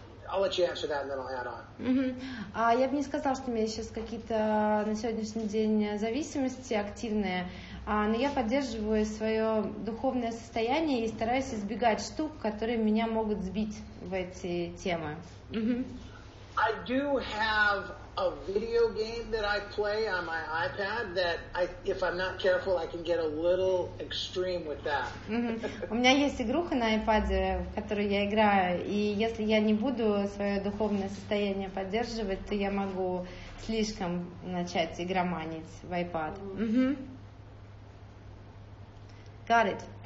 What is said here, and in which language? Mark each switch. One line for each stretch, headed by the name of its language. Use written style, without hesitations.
English: I'll let you answer that, and then I'll add on.
Russian: Я бы не сказала, что у меня сейчас какие-то на сегодняшний день зависимости активные, но я поддерживаю свое духовное состояние и стараюсь избегать штук, которые меня могут сбить в эти темы.
English: I do have a video game that I play on my iPad that if I'm not careful, I can get a little extreme with that.
Russian: У меня есть игруха на iPad, в которую я играю, и если я не буду свое духовное состояние поддерживать, то я могу слишком начать игроманить в iPad.
English: Got it.